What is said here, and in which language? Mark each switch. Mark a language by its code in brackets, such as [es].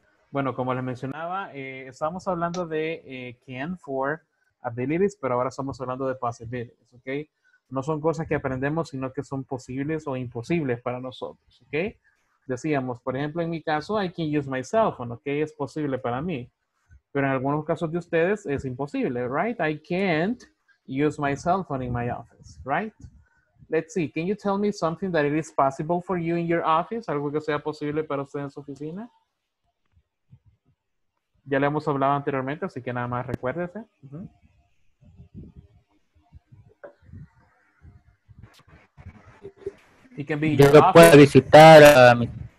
[es] Bueno, como les mencionaba, estábamos hablando de can for abilities, pero ahora estamos hablando de possibilities, okay? No son cosas que aprendemos, sino que son posibles o imposibles para nosotros, okay? Decíamos, por ejemplo, en mi caso, [en] I can use my cell phone, [es] okay? Es posible para mí. Pero en algunos casos de ustedes es imposible, right? [en] I can't use my cell phone in my office, right? Let's see, can you tell me something that it is possible for you in your office? [es] Algo que sea posible para usted en su oficina. Ya le hemos hablado anteriormente, así que nada más recuérdese. [en] It can be your office. [es] Puedo visitar a mi...